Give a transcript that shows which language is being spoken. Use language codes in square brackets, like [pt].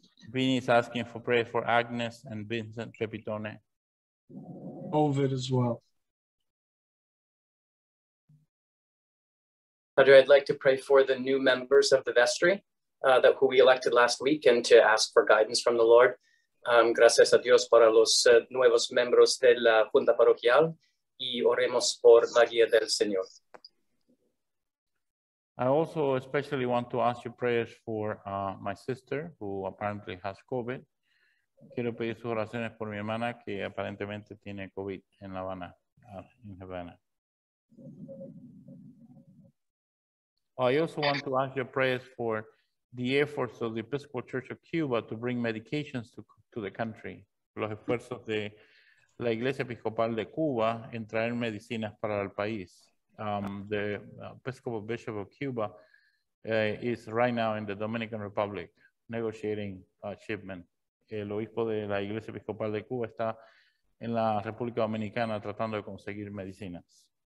[en] Vinny is asking for prayer for Agnes and Vincent Pepitone. COVID as well. Padre, I'd like to pray for the new members of the vestry that who we elected last week and to ask for guidance from the Lord. [es] Gracias a Dios para los nuevos miembros de la junta parroquial y oremos por la guía del Señor. [en] I also especially want to ask you prayers for my sister who apparently has COVID. [es] Quiero pedir sus oraciones por mi hermana que aparentemente tiene COVID en La Habana, en Havana. [en] I also want to ask your prayers for the efforts of the Episcopal Church of Cuba to bring medications to the country. [es] Los esfuerzos de la Iglesia Episcopal de Cuba en traer medicinas para el país. [en] The Episcopal Bishop of Cuba is right now in the Dominican Republic negotiating a shipment. [es] El obispo de la Iglesia Episcopal de Cuba está en la República Dominicana tratando de conseguir medicinas.